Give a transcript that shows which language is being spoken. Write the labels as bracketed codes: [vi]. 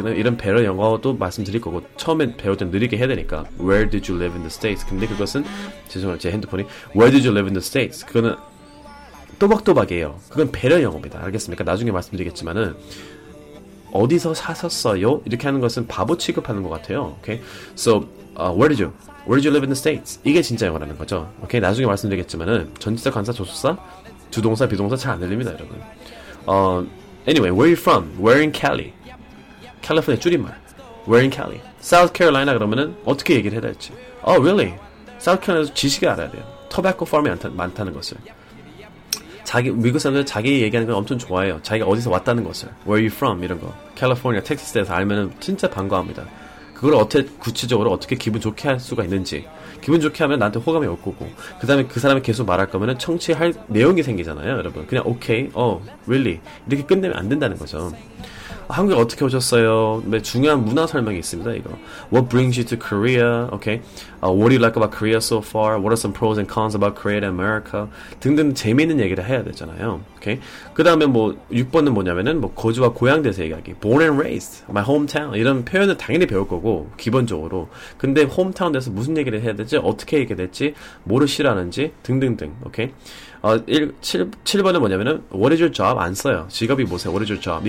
[ko] 이런 배려 영어도 말씀드릴 거고, 처음에 배울 땐 느리게 해야 되니까 [en] Where did you live in the States? [ko] 근데 그것은, 죄송해요, 제 핸드폰이 [en] Where did you live in the States? [ko] 그거는 또박또박이에요. 그건 배려 영어입니다. 알겠습니까? 나중에 말씀드리겠지만은 어디서 사셨어요? 이렇게 하는 것은 바보 취급하는 것 같아요. [en] Okay? So, Where did you live in the States? [ko] 이게 진짜 영어라는 거죠. [en] Okay? [ko] 나중에 말씀드리겠지만은 전치사, 관사, 조수사, 주동사, 비동사 잘 안 들립니다, 여러분. [en] Anyway, where are you from? Where in Cali? [ko] 캘리포니아 줄임말. [en] Where in Cali? [ko] South Carolina 그러면은 어떻게 얘기를 해야 될지. [en] Oh, really? [ko] South Carolina도 지식을 알아야 돼요. Tobacco farm이 많다는 것을. 미국 사람들 자기 얘기하는 건 엄청 좋아해요. 자기가 어디서 왔다는 것을. [en] Where are you from? [ko] 이런 거. 캘리포니아, 텍사스에서 알면은 진짜 반가워합니다. 그걸 구체적으로 어떻게 기분 좋게 할 수가 있는지. 기분 좋게 하면 나한테 호감이 올 거고. 그 다음에 그 사람이 계속 말할 거면은 청취할 내용이 생기잖아요, 여러분. [en] 그냥, okay, really. [ko] 이렇게 끝내면 안 된다는 거죠. 한국에 어떻게 오셨어요? 네, 중요한 문화 설명이 있습니다, 이거. [en] What brings you to Korea? Okay. What do you like about Korea so far? What are some pros and cons about Korea and America? [ko] 등등 재미있는 얘기를 해야 되잖아요. [en] Okay. [ko] 그 다음에 뭐, 6번은 뭐냐면은, 뭐, 거주와 고향 대해서 얘기하기. [en] Born and raised. My hometown. [ko] 이런 표현을 당연히 배울 거고, 기본적으로. 근데, hometown 대해서 무슨 얘기를 해야 될지, 어떻게 얘기해야 될지, 모르시라는지, 등등등. [en] Okay. [ko] 7번은 뭐냐면은 [en] What is your job? [ko] 안 써요. 직업이 뭐세요? [en] What is your job?